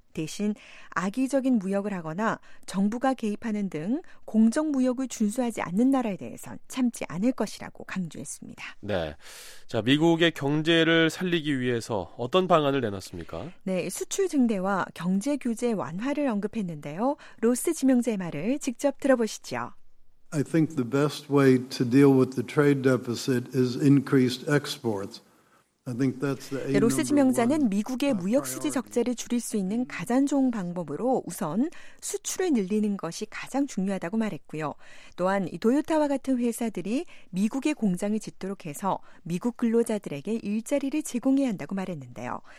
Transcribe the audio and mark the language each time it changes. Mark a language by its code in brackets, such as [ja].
[ko] 대신 악의적인 무역을 하거나 정부가 개입하는 등 공정무역을 준수하지 않는 나라에 대해서는 참지 않을 것이라고 강조했습니다. 네, 자 미국의 경제를 살리기 위해서 어떤 방안을 내놨습니까? 네, 수출 증대와 경제 규제 완화를 언급했는데요. 로스 지명자의 말을 직접 들어보시죠. [en] I think the best way to deal with the trade deficit is increased exports. I think that's the aim. [ko] 로스 지명자는 미국의 무역 수지 적자를 줄일 수 있는 가장 좋은 방법으로 우선 수출을 늘리는 것이 가장 중요하다고 말했고요. 또한 도요타와 같은 회사들이 미국의 공장을 짓도록 해서 미국 근로자들에게 일자리를 제공해야 한다고 말했는데요.